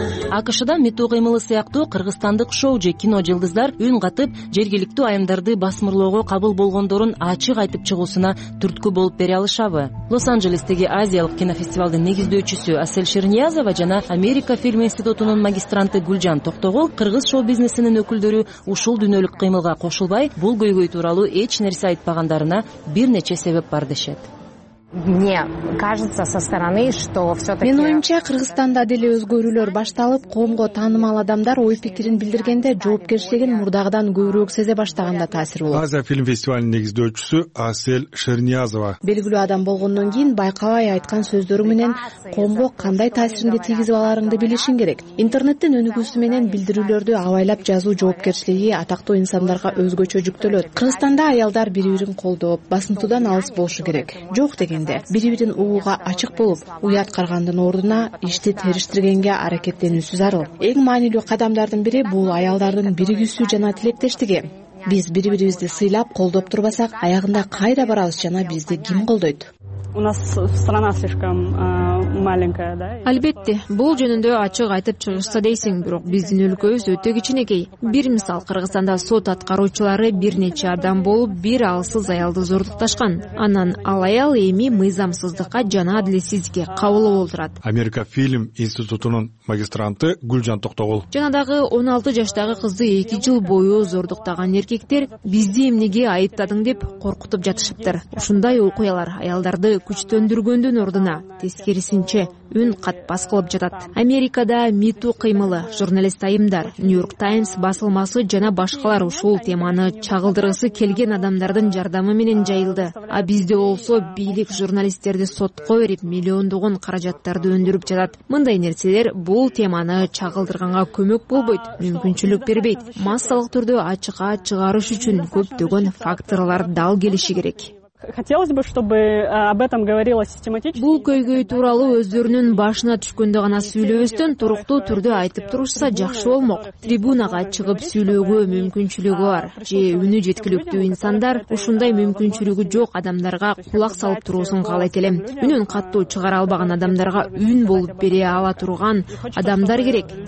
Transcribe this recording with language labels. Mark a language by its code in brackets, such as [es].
[ky] АКШ-да МИТО кыймылы сыяктуу кыргызстандык шоу же кино жылдыздар үн катып, жергиликтүү айымдарды басмырлоого кабыл болгондорун ачык айтып чыгуусуна түрткү болуп бере алышабы? Лос-Анжелестеги Азиялык кинофестивалдын негиздөөчүсү Асель Шерниязова жана Америка фильм институтунун магистранты Гүлжан Токтогол кыргыз шоу бизнесинин өкүлдөрү ушул дүйнөлүк кыймылга кошулбай, бул көйгөй тууралуу эч нерсе айтпагандарына бир нече себеп бар дешет. [ru] Мне кажется со стороны, что всё-таки [ky] Мен оюмча Кыргызстанда деле өзгөрүүлөр башталып, коомго таанымал адамдар ой пикирин билдиргенде жоопкерчилигин мурдагыдан көбүрөөк сезе баштаганда таасир болот. Азия фильм фестивалынын негиздөөчүсү Асель Шерниязова. Белгилүү адам болгондон кийин байкабай айткан сөздөрү менен коомго кандай таасиринде тийгизип аларыңды билишин керек. Интернеттин өнүгүүсү менен билдирүүлөрдү абайлап жазуу жоопкерчилиги атактуу инсандарга өзгөчө жүктөлөт. Кыргызстанда аялдар бири-бирин колдоп, басынтуудан алыс болушу керек. Жок дегенде бири-бирин угууга ачык болуп, уят каргандын ордуна ишти териштиргенге аракеттенүүсү зарыл. Эң маанилүү кадамдардын бири бул аялдардын биригүүсү жана тилектештиги. Биз бири-бирибизди сыйлап, колдоп турбасак, аягында кайда барабыз жана бизди ким колдойт? [ru] У нас страна слишком маленькая, да? [ky] Албетте, бул жөнүндө ачык айтып чыгышса дейсиң, бирок биздин өлкөбүз өтө кичинекей. Бир мисал, Кыргызстанда сот аткаруучулары бир нече адам болуп, бир алсыз аялды зордукташкан. Анан ал аял эми мыйзамсыздыкка жана адилетсиздикке кабылып олтурат. Америка фильм институтунун магистранты Гүлжан Токтогол. Жана дагы 16 жаштагы кызды 2 жыл бою зордуктаган эркектер бизди эмнеге айыптадың деп коркутуп жатышыптыр. Ушундай окуялар аялдарды күчтөндүргөндүн ордуна тескерисинче үн катпас кылып жатат. Америкада МИТУ кыймылы, журналист айымдар, Нью-Йорк Таймс басылмасы жана башкалар ушул теманы чагылдыргысы келген адамдардын жардамы менен жайылды. А бизде болсо бийлик журналисттерди сотко берип миллиондогон каражаттарды өндүрүп жатат. Мындай нерселер бул теманы чагылдырганга көмөк болбойт, мүмкүнчүлүк бербейт. Массалык түрдө ачыкка чыгарыш үчүн көптөгөн факторлор дал келиши керек. [ru] Хотелось бы, чтобы об этом говорила систематически. [ky] Бул көйгөй тууралуу өздөрүнүн башына түшкөндө гана сүйлөбөстөн туруктуу түрдө айтып турушса жакшы болмок. Трибунага чыгып сүйлөөгө мүмкүнчүлүгү бар же үнү жеткиликтүү инсандар ушундай мүмкүнчүлүгү жок адамдарга кулак салып туруусун каалайт элем. Үнүн каттуу чыгара албаган адамдарга үн болуп бере ала турган адамдар керек.